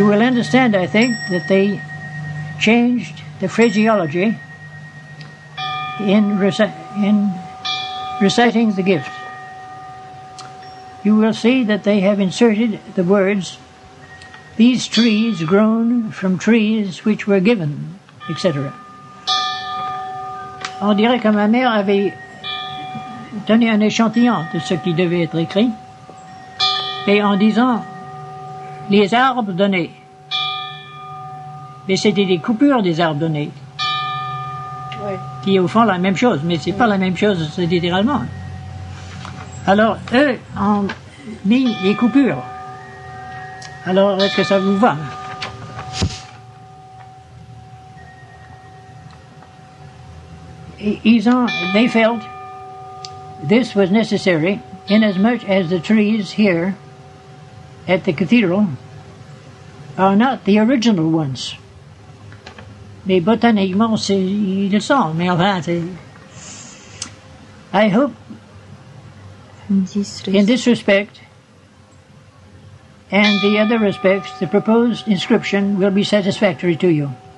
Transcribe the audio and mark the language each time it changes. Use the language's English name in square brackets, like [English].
[English] You will understand, I think, that they changed the phraseology in reciting the gift. You will see that they have inserted the words, "These trees grown from trees which were given," etc. [French] On dirait que ma mère avait donné un échantillon de ce qui devait être écrit, et en disant les arbres donnés, mais c'était des coupures des arbres donnés, oui. Qui est au fond la même chose, mais c'est oui. Pas la même chose, c'est littéralement. Alors eux ont mis les coupures. Alors est-ce que ça vous va? [English] They felt this was necessary inasmuch as the trees here at the cathedral are not the original ones. [French] Mais botaniquement, ils le sont, mais enfin, c'est... [English] I hope in this respect and the other respects the proposed inscription will be satisfactory to you.